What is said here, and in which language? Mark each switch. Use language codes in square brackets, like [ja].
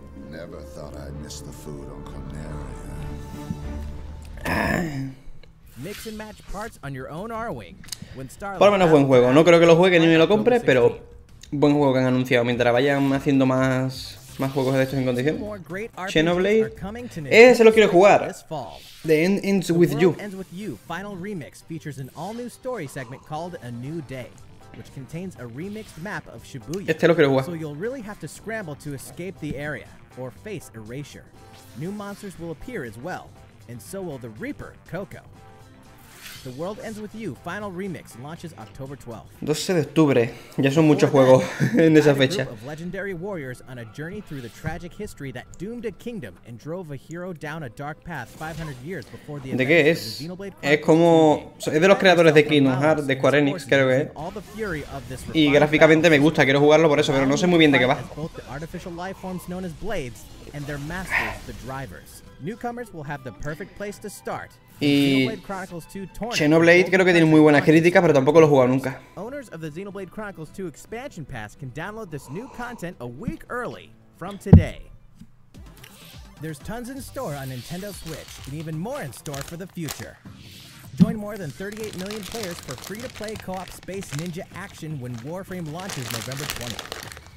[en] Never thought I'd miss the food on Cornelia. Mix and match parts on your own R-Wing. [es] Por lo menos buen juego. No creo que lo juegue ni me lo compre, pero buen juego que han anunciado. Mientras vayan haciendo más juegos de estos en condición. Xenoblade. Ese lo quiero jugar. The End Ends With You. [en] Final Remix features an all-new story segment called A New Day. which contains a remixed map of Shibuya. [es] Este lo quiero jugar. [en] So you'll really have to scramble to escape the area or face Erasure. New monsters will appear as well, and so will the Reaper, Coco. The World Ends With You Final Remix launches October 12th. [es] 12 de octubre. Ya son muchos juegos en esa fecha. [en] A group of legendary warriors on a journey through the tragic history that doomed a kingdom and drove a hero down a dark path 500 years before the [es] ¿De qué es? Es como... Es de los creadores de Kingdom Hearts, de Square Enix, creo que es. Y gráficamente me gusta, quiero jugarlo por eso, pero no sé muy bien de qué va. [en] Both the artificial life forms known as Blades and their masters, the Drivers. Newcomers will have the perfect place to start. [es] Y Xenoblade creo que tiene muy buenas críticas, pero tampoco lo he jugado nunca. [en] Owners of the Xenoblade Chronicles 2 expansion pass can download this new content a week early from today. There's tons in store on Nintendo Switch and even more in store for the future. Join more than 38 million players for free-to-play co-op space ninja action when Warframe launches November 20th.